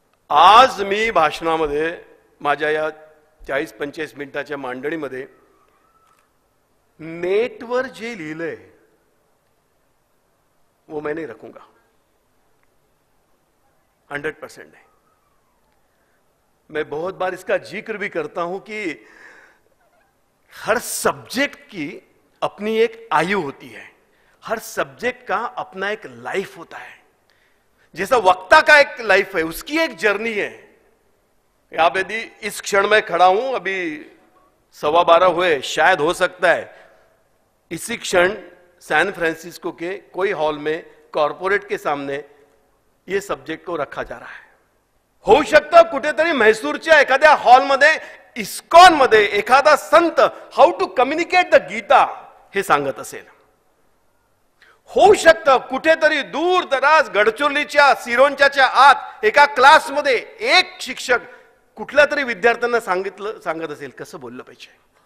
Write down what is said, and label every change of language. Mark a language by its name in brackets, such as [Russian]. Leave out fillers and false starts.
[Marathi] आज मी भाषणामध्ये माझ्या या 40-45 मिनिटाच्या मांडणीमध्ये नेटवर जे लिहिलंय [Hindi] वो मैं नहीं रखूंगा, 100% नहीं। मैं बहुत बार इसका जिक्र भी करता हूं कि हर सब्जेक्ट की अपनी एक आयु होती है, हर सब्जेक्ट का अपना एक लाइफ होता है, जैसा वक्ता का एक लाइफ है, उसकी एक जर्नी है, या वेदी इस क्षण में खड़ा हूं, अभी 12:15 हुए, शायद हो सकता है इसी क्षण सैन फ्रांसिस्को के कोई हॉल में कॉर्पोरेट के सामने ये सब्जेक्ट को रखा जा रहा है। हो सकता [Marathi] कुठे तरी मैसूर एखाद्या हॉल मध्ये इस्कॉन मध्ये एखादा संत [English] how to communicate the Gita [Marathi] हे सांगत असेल। होऊ शकतं कुठेतरी दूर दराज गडचिरोलीच्या सिरोंचाच्या आत एका क्लास मध्ये एक शिक्षक कुठल्या तरी विद्यार्थ्यांना सांगत असेल कसं बोललं पाहिजे।